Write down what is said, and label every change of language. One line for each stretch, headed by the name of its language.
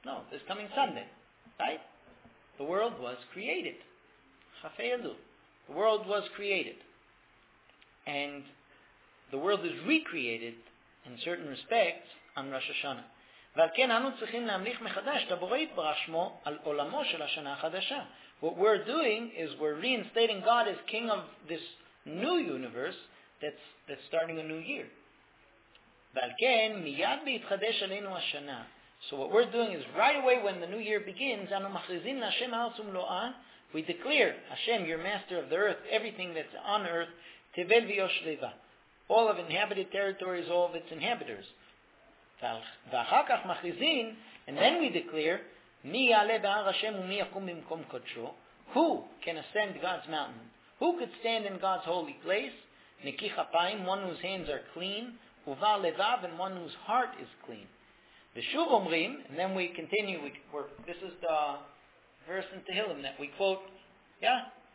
English: This coming Sunday, right? The world was created. Chafeyadu. The world was created. And the world is recreated, in certain respects, on Rosh Hashanah.
Hebrew: ועל כן אנו צריכים להמליך מחדש את הבורא יתברך שמו על עולמו של השנה החדשה.
English: What we're doing is we're reinstating God as king of this new universe that's starting a new year.
Hebrew: ועל כן מיד בהתחדש עלינו השנה.
English: So what we're doing is right away when the new year begins,
Hebrew: אנו מכריזים להשם הארץ ומלואה,
English: we declare, Hashem, your master of the earth, everything that's on earth,
Hebrew: תבל ויושב לבה.
English: All of inhabited territories, all of its inhabitants.
Hebrew: ואחר כך מכריזים,
English: and then we declare,
Hebrew: מי יעלה בהר השם ומי יקום במקום קודשו?
English: Who can ascend God's mountain? Who could stand in God's holy place?
Hebrew: נקי כפיים,
English: one whose hands are clean,
Hebrew: ובא לבב,
English: and one whose heart is clean.
Hebrew: ושוב אומרים,
English: and then we continue, this is the verse in Tehillim that we quote, yeah?